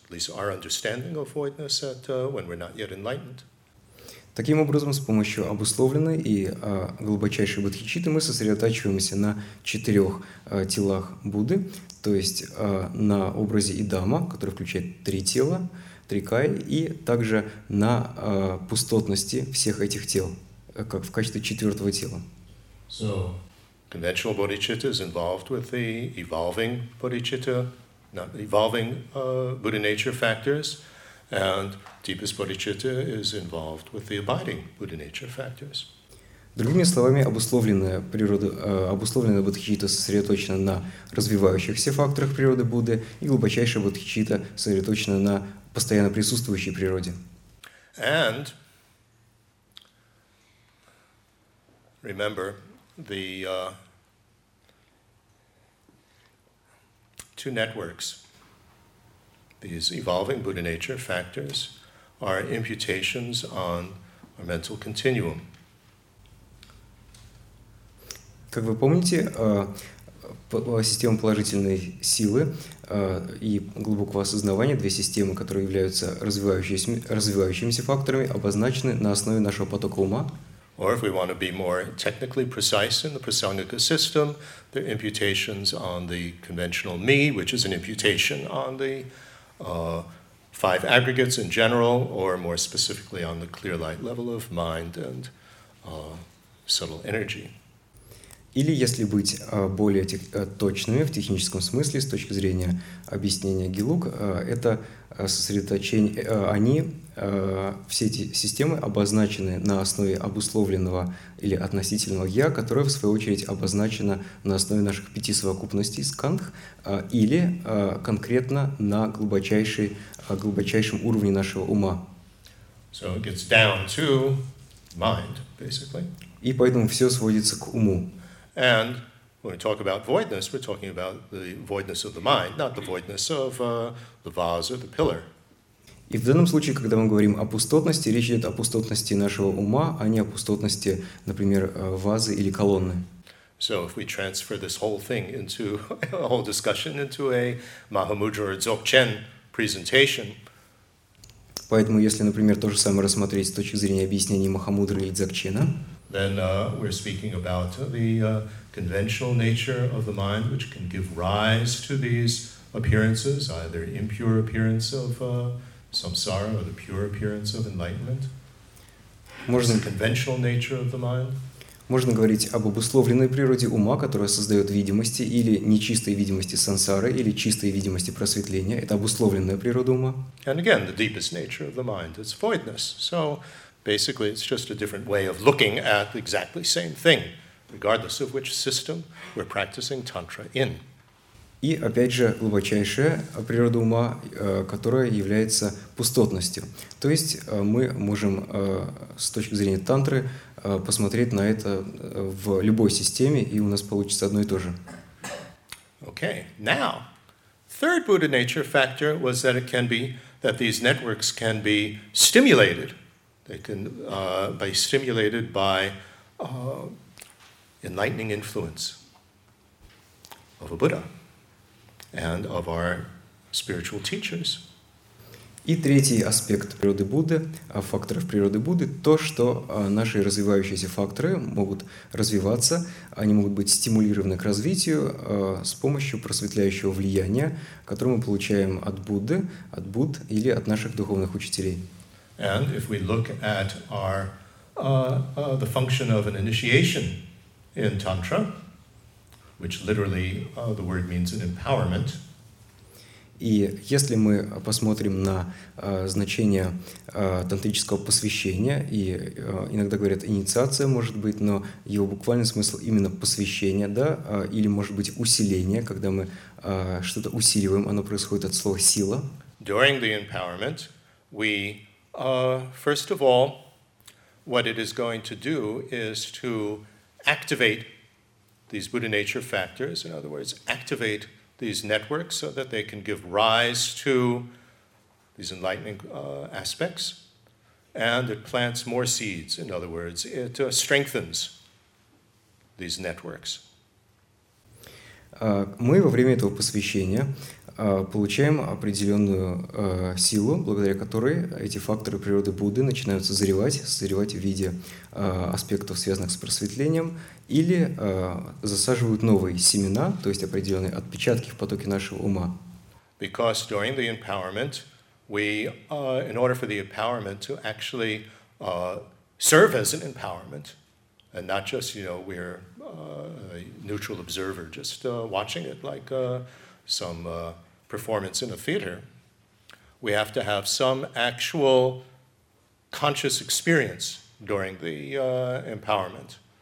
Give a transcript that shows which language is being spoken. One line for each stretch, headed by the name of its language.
English: At least our understanding of voidness at when we're not yet enlightened.
Russian: Таким образом, с помощью обусловленной и глубочайшей бодхичитты мы сосредотачиваемся на четырех телах Будды, то есть на образе Идама, который включает три тела, три кая, и также на пустотности всех этих тел, как в качестве четвертого тела.
English: So, conventional bodhicitta is involved with the evolving bodhicitta. Not evolving Buddha nature factors, and deepest bodhicitta is involved with the abiding Buddha nature factors.
Russian: Другими словами, обусловленная природа, обусловленная бодхичитта сосредоточена на развивающихся факторах природы Будды, и глубочайшая бодхичитта сосредоточена на постоянно присутствующей природе.
English: And remember the two networks. These evolving Buddha nature factors are imputations on our mental continuum.
Russian: Как вы помните, система положительной силы и глубокого осознавания, две системы, которые являются развивающимися факторами, обозначены на основе нашего потока ума.
English: Or if we want to be more technically precise in the prasangika system, there are imputations on the conventional me, which is an imputation on the five aggregates in general, or more specifically on the clear light level of mind and subtle energy.
Russian: Или если быть более точными в техническом смысле, с точки зрения объяснения гилук, это сосредоточение, они, все эти системы обозначены на основе обусловленного или относительного «я», которое, в свою очередь, обозначено на основе наших пяти совокупностей сканх или конкретно на глубочайшем уровне нашего ума.
English: So it gets down to mind, basically.
Russian: И поэтому все сводится к уму.
English: And when we talk about voidness, we're talking about the voidness of the mind, not the voidness of the vase or the pillar.
Russian: И в данном случае, когда мы говорим о пустотности, речь идет о пустотности нашего ума, а не о пустотности, например, вазы или колонны.
English: So if we transfer this whole thing into a whole discussion into a Mahamudra or Dzogchen presentation.
Russian: Поэтому, если, например, то же самое рассмотреть с точки зрения объяснения Махамудры или Дзогчена,
English: then we're speaking about the conventional nature of the mind, which can give rise to these appearances, either impure appearance of samsara or the pure appearance of enlightenment.
Russian: Можно
English: the conventional nature of the mind.
Russian: Можно говорить об обусловленной природе ума, которая создает видимости или нечистой видимости сансары, или чистой видимости просветления. Это обусловленная природа ума.
English: And again, the deepest nature of the mind is voidness. So basically, it's just a different way of looking at exactly same thing, regardless of which system we're practicing tantra in.
Russian: И опять же, глубочайшая природа ума, которая является пустотностью. То есть мы можем с точки зрения тантры посмотреть на это в любой системе, и у нас получится одно и то же.
English: Okay, now, third Buddha nature factor was that it can be, that these networks can be stimulated. They can be stimulated by enlightening influence of a Buddha and of our spiritual teachers.
Russian: И третий аспект природы Будды, факторов природы Будды, то, что наши развивающиеся факторы могут развиваться, они могут быть стимулированы к развитию с помощью просветляющего влияния, которое мы получаем от Будды, от Будд или от наших духовных учителей.
English: And if we look at our the function of an initiation in Tantra, which literally the word means an empowerment.
Russian: И если мы посмотрим на значение тантрического посвящения, и иногда говорят инициация, может быть, но его буквальный смысл именно посвящение, да, или может быть усиление, когда мы что-то усиливаем, оно происходит от слова сила.
English: During the empowerment, we first of all, what it is going to do is to activate these Buddha nature factors, in other words, activate these networks so that they can give rise to these enlightening aspects, and it plants more seeds, in other words, it strengthens these networks.
Russian: Мы во время этого посвящения получаем определенную силу, благодаря которой эти факторы природы Будды начинают созревать в виде аспектов, связанных с просветлением, или засаживают новые семена, то есть определенные отпечатки в потоке нашего ума.
English: Because during the empowerment, we, in order for the empowerment to actually serve as an empowerment, and not just, you know, we're a neutral observer, just watching it like some performance in a theater, we have to have some actual conscious experience during the empowerment.